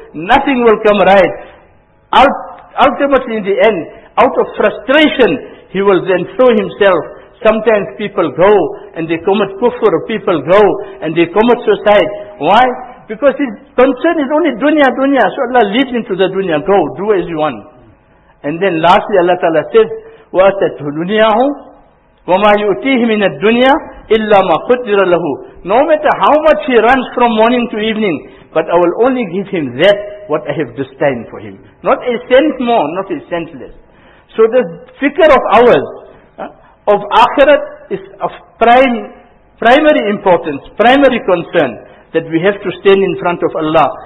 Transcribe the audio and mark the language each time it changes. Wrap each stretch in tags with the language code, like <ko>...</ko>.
<en>Nothing will come right. Ultimately in the end, out of frustration, he will then throw himself. Sometimes people go and they commit kufr, people go and they commit suicide. Why? Because his concern is only dunya, dunya. So Allah leads him to the dunya. Go, do as you want. And then lastly Allah Ta'ala says,</en> <ar>وَأَتَتْهُ دُنْيَاهُ وَمَا يُؤْتِيهِ مِنَ الدُّنْيَا إِلَّا مَا قُدِّرَ لَهُ.</ar> <en>No matter how much he runs from morning to evening, but I will only give him that what I have destined for him. Not a cent more, not a cent less. So the fikr of ours, of akhirat, is of primary importance, primary concern, that we have to stand in front of Allah.</en>